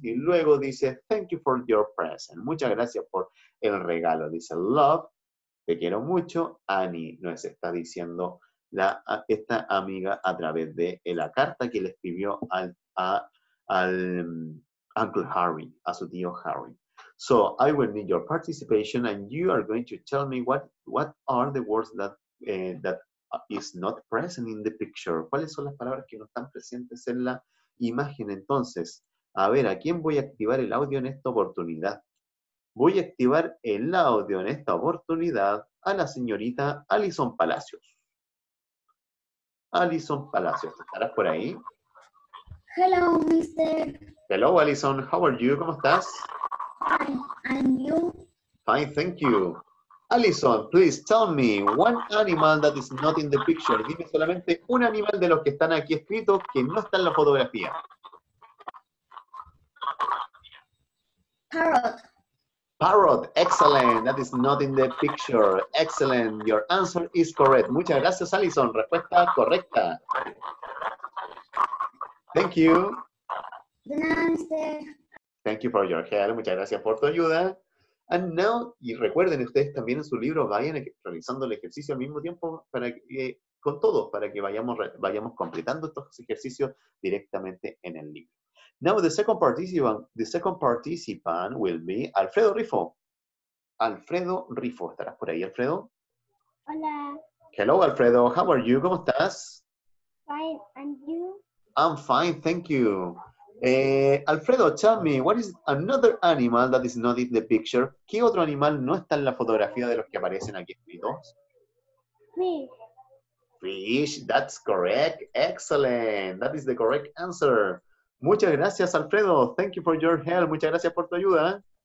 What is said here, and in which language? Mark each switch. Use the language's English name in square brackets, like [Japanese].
[Spanish] Y luego dice, [English] thank you for your present. [Spanish] Muchas gracias por el regalo. Dice, love, te quiero mucho. Annie nos está diciendo esta amiga a través de la carta que le escribió al Uncle Harry, a su tío Harry. [English] So, I will need your participation and you are going to tell me what are the words that is not present in the picture. [Spanish] ¿Cuáles son las palabras que no están presentes en la imagen? Entonces, a ver, ¿a quién voy a activar el audio en esta oportunidad? Voy a activar el audio en esta oportunidad a la señorita Alison Palacios. Alison Palacios, ¿estarás por ahí? [English] Hello, Mister. Hello, Alison, how are you? [Spanish] ¿Cómo estás? [English] Hi, and you? Fine, thank you. Alison, please tell me one animal that is not in the picture. [Spanish] Dime solamente un animal de los que están aquí escritos que no está en la fotografía. [English] Parrot. Parrot, excellent. That is not in the picture. Excellent. Your answer is correct. [Spanish] Muchas gracias, Alison. Respuesta correcta. [English] Thank you. De Thank you for your help. [Spanish] Muchas gracias por tu ayuda. [English] And now, [Spanish] y recuerden ustedes también en su libro, vayan realizando el ejercicio al mismo tiempo con todos, para que vayamos completando estos ejercicios directamente en el libro. [English] Now, the second participant will be Alfredo Rifo. [Spanish] Alfredo Rifo, ¿estarás por ahí, Alfredo? Hola. [English] Hello, Alfredo. How are you? [Spanish] ¿Cómo estás? [English] Fine, and you? I'm fine, thank you. Alfredo, tell me, what is another animal that is not in the picture? [Spanish] ¿Qué otro animal no está en la fotografía de los que aparecen aquí escritos? Me. [English] Fish, that's correct. Excellent. That is the correct answer. [Spanish] Muchas gracias, Alfredo. [English] Thank you for your help. [Spanish] Muchas gracias por tu ayuda.